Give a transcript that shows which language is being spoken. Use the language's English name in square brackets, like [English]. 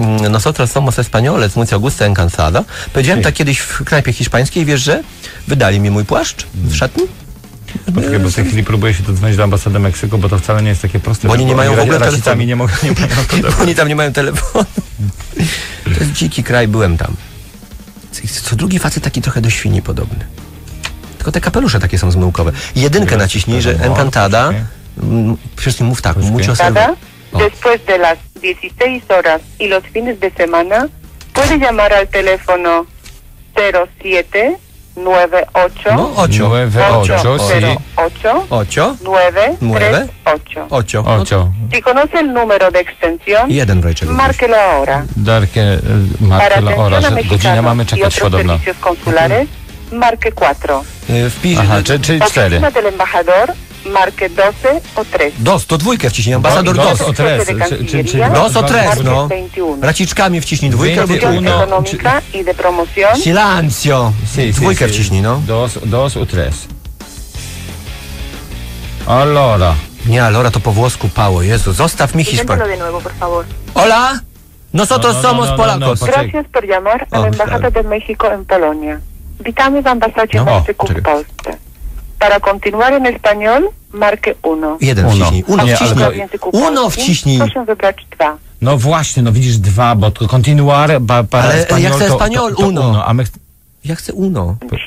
[Spanish] Nosotros somos españoles, mucho gusto en cansada. [Polish] Powiedziałem tak kiedyś w knajpie hiszpańskiej, wiesz, że wydali mi mój płaszcz w szatni? Poczekaj, bo w tej chwili próbuję się dodzwonić do ambasady Meksyku, bo to wcale nie jest takie proste. Bo oni nie mają w ogóle telefonu. Oni tam nie mają telefonu. To jest dziki kraj, byłem tam. Co drugi facet taki trochę do świni podobny. Tylko te kapelusze takie są zmyłkowe. Jedynkę naciśnij, że encantada. Wszystkim mów tak, [Spanish] mucho [Polish] serwo. [Spanish] Encantada, después de las 16 horas y los fines de semana, puede llamar al teléfono 07 98 8 8 8 8 8 8 8 8 8 8. Si conoce el número de extensión, [Polish] jeden wejcie. [Spanish] Márquelo ahora. Márquelo ahora. [Polish] Godzinę mamy czekać podobno. [Spanish] Marque 4. [Polish] Wpisz. Aha, czyli 4. [Spanish] Pacina del embajador, marque 12 o 3. [Polish] Dos, to dwójkę wciśnij, ambasador dos. [Spanish] Dos o 3. Dos o 3, no. [Polish] Raciczkami wciśnij, dwójkę albo 1. [Spanish] Economica i de promoción. Silencio. [Polish] Dwójkę wciśnij, no. [Spanish] Dos o 3. [Italian] Allora. [Polish] Nie, allora to po włosku pało, Jezu. Zostaw mi Hiszpanię. Dzień dobry, [Spanish] por favor. Hola. Nosotros somos polacos. Gracias por llamar al embajador de México en Polonia. [Polish] Witamy w ambasadzie Meksyku w Polsce. [Spanish] Para continuar en español, marque uno. [Polish] Jeden [Spanish] uno. [Polish] Wciśnij. Uno wciśnij. Uno wciśnij. Proszę wybrać dwa. No właśnie, no widzisz dwa, bo to [Spanish] continuar para español. [Polish] Ale ja chcę español, uno. A my ja chcę uno.